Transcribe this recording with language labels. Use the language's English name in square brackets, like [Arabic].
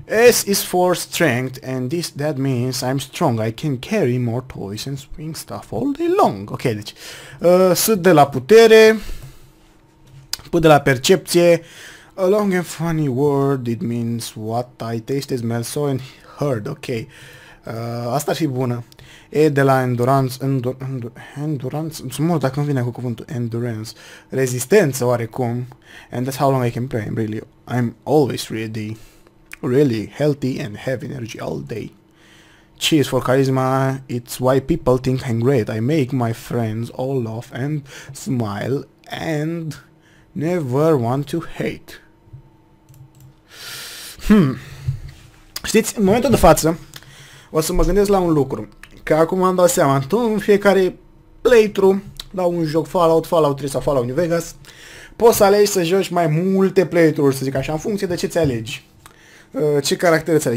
[English] S is for strength and this that means I'm strong. I can carry more toys and swing stuff all day long. [Romanian] Ok, deci S de la putere, P de la percepție. [English] A long and funny word, it means what I tasted, smelled, saw and heard. [Romanian] Ok. Asta ar fi bună. E de la endurance, endurance, sunt mult dacă nu vine cu cuvântul endurance. Rezistență oarecum. [English] And that's how long I can play. Really, I'm always ready. Really healthy and have energy all day. Cheers for charisma. It's why people think I'm great. I make my friends all laugh and smile and never want to hate. [Romanian] Știți, în momentul de față, o să mă gândesc la un lucru. Că acum am dat seama, tu în fiecare playthrough la un joc Fallout, Fallout 3 sau Fallout New Vegas, poți să alegi să joci mai multe playthrough, să zic așa, în funcție de ce ți alegi. Ce caractere ți-ai.